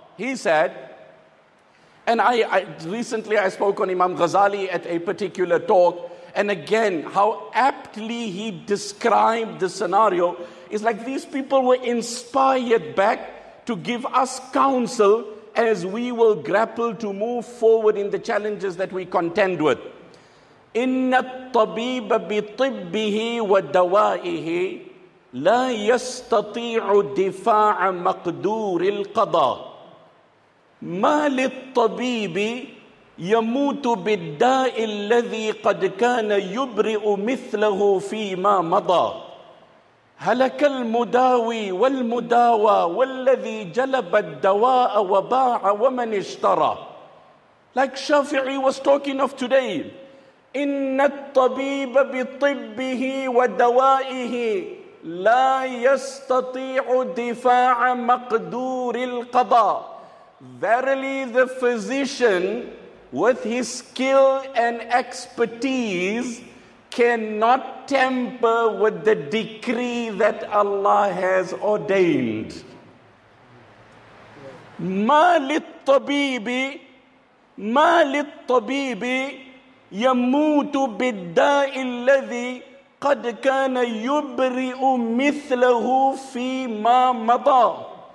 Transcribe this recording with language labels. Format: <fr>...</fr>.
<en>He said, and I recently spoke on Imam Ghazali at a particular talk, and again, how aptly he described the scenario is like these people were inspired back to give us counsel as we will grapple to move forward in the challenges that we contend with.</en> <ar>إِنَّ الطَّبِيبَ بِطِبِّهِ وَدَوَائِهِ لَا يَسْتَطِيعُ دِفَاعَ مَقْدُورِ الْقَضَى مَا لِلطَّبِيبِ يَمُوتُ بِالدَّاءِ الَّذِي قَدْ كَانَ يُبْرِئُ مِثْلَهُ فِي مَا مَضَى هلك المداوي والمداوى والذي جلب الدواء وباع ومن اشترى.</ar> <en>Like Shafi'i was talking of today.</en> <ar>إن الطبيب بطبه ودوائه لا يستطيع دفاع مقدور القضاء.</ar> <en>Verily the physician with his skill and expertise cannot tamper with the decree that Allah has ordained.</en> <ar>مَا لِلطَّبِيبِ مَا لِلطَّبِيبِ يَمُوتُ بِالدَّاءِ الَّذِي قَدْ كَانَ يُبْرِئُ مِثْلَهُ فِي مَا مَضَى.</ar>